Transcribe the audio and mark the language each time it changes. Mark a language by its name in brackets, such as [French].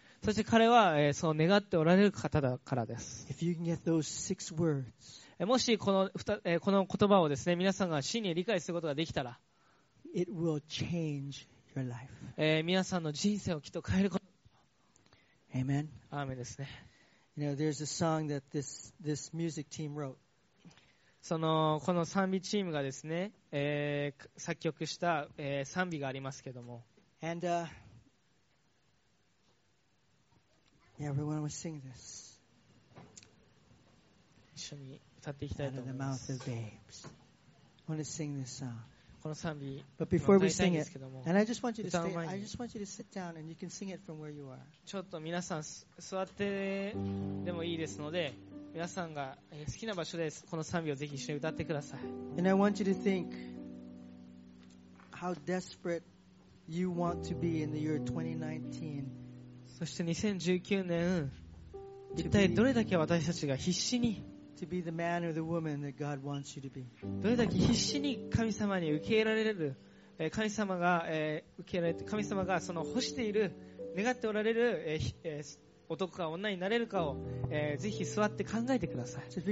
[Japanese] そして彼は、その願っておられる方だからです。 [English] If you can get those six words, [Japanese] もしこの言葉をですね、皆さんが真に理解することができたら、 [English] It will change. [Japanese] 皆さんの人生をきっと変えること。 [English] Amen. [Japanese] アーメンですね。 [English] You know, there's a song that this music team wrote. [Japanese] この賛美チームがですね、作曲した、賛美がありますけども。 [English] And, everyone will sing this. [Japanese] 一緒に歌っていきたいと思います。 [English] Out of the mouth of babes. Sing this song. [Japanese] この賛美。 [English] But before we sing it, and I just want you to stay, I just want you to sit down and you can sing it from where you are. [Japanese] ちょっと皆さん座ってでもいいですので、皆さんが好きな場所でこの賛美をぜひ一緒に歌ってください。 [English] And I want you to think how desperate you want to be in the year 2019. [Japanese] そして2019年、一体どれだけ私たちが必死に、どれだけ必死に神様に受け入れられる、神様が、受け入れ、神様がその欲している、願っておられる、男か女になれるかを、ぜひ座って考えてください。